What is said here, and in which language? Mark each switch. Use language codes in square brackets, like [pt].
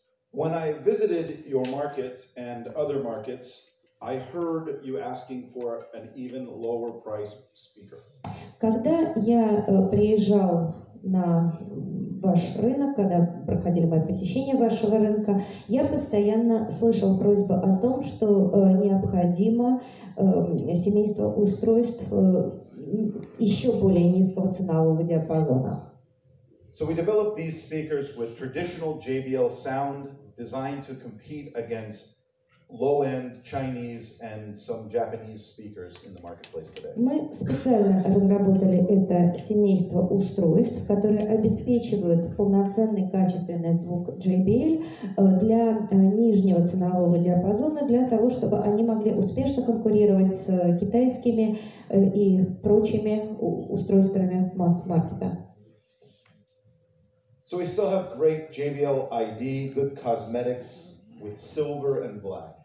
[en] When I visited your market and other markets, I heard you asking for an even lower price speaker. [ru] Когда я приезжал на ваш рынок, когда проходили мои посещения вашего рынка, я постоянно слышал просьбы о том, что необходимо семейство устройств еще более низкого ценового диапазона. [en] So we developed these speakers with traditional JBL sound designed to compete against low-end Chinese and some Japanese speakers in the marketplace today. [ru] Мы специально разработали это семейство устройств, которые обеспечивают полноценный качественный звук JBL для нижнего ценового диапазона, для того, чтобы они могли успешно конкурировать с китайскими и прочими устройствами масс-маркета. [en] So we still have great JBL ID, good cosmetics with silver and black.